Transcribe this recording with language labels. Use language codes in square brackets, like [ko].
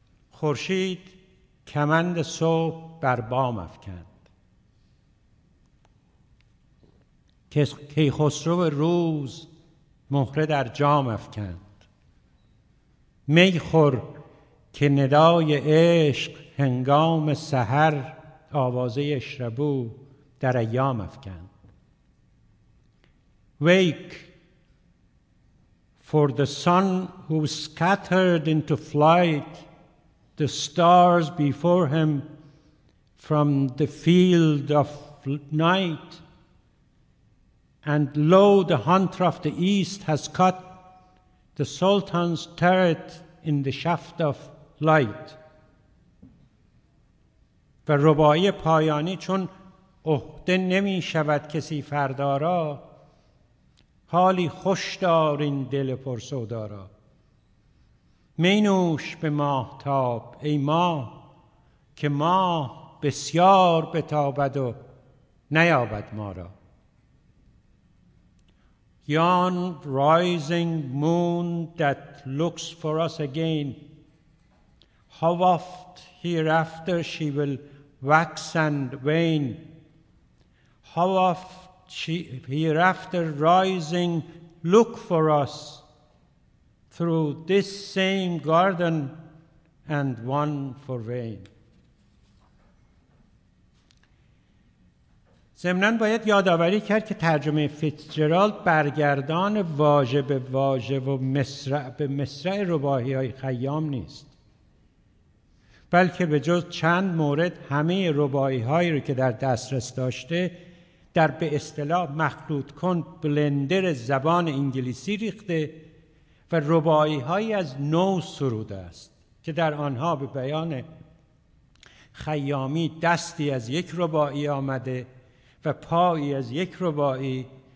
[fa] خورشید کمند صبح بر بام افکند، کیخسرو روز مهره در جام افکند، می خور که ندای عشق هنگام سحر آوازه اشربو در ایام افکند. [en] Wake for the sun who scattered into flight the stars before him from the field of night, and lo the hunter of the east has cut the sultan's turret in the shaft of light. [fa] و رباعی پایانی چون عهده نمی شود کسی فردا را، حالی خوش دار این دل پر سودا را، می نوش به ماهتاب ای ماه که ماه بسیار بتابد و نیابد ما را. [en] Yon rising moon that looks for us again, how oft hereafter she will wax and wane, how oft she hereafter rising look for us through this same garden and one for vain. [fa] ضمناً باید یادآوری کرد که ترجمه فیتزجرالد برگردان واژه به واژه و مصرع به مصرع رباعی های خیام نیست، بلکه به جز چند مورد همه رباعی هایی رو که در دسترس داشته در به اصطلاح مخلوط کن بلندر زبان انگلیسی ریخته و رباعی هایی از نو سروده است که در آنها به بیان خیامی دستی از یک رباعی آمده و پایی از یک رباعی